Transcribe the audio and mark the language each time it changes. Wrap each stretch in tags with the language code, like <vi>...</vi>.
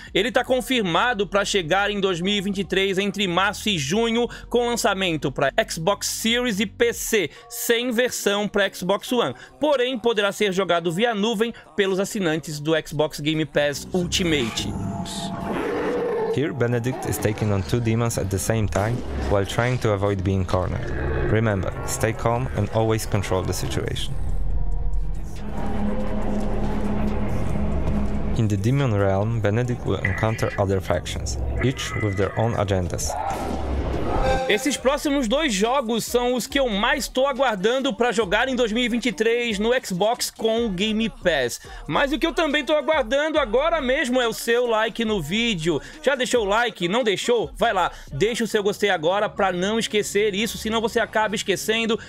<pt>Ele está confirmado para chegar em 2023 entre março e junho com lançamento para Xbox Series e PC, sem versão para Xbox One. Porém, poderá ser jogado via nuvem pelos assinantes do Xbox Game Pass Ultimate.</pt> <en>Here, Benedict is taking on two demons at the same time while trying to avoid being cornered. Remember, stay calm and always control the situation. In the demon realm, Benedict will encounter other factions, each with their own agendas.</en> <pt>Esses próximos dois jogos são os que eu mais estou aguardando para jogar em 2023 no Xbox com o Game Pass. Mas o que eu também estou aguardando agora mesmo é o seu like no vídeo. Já deixou o like? Não deixou? Vai lá, deixa o seu gostei agora para não esquecer isso, senão você acaba esquecendo.</pt>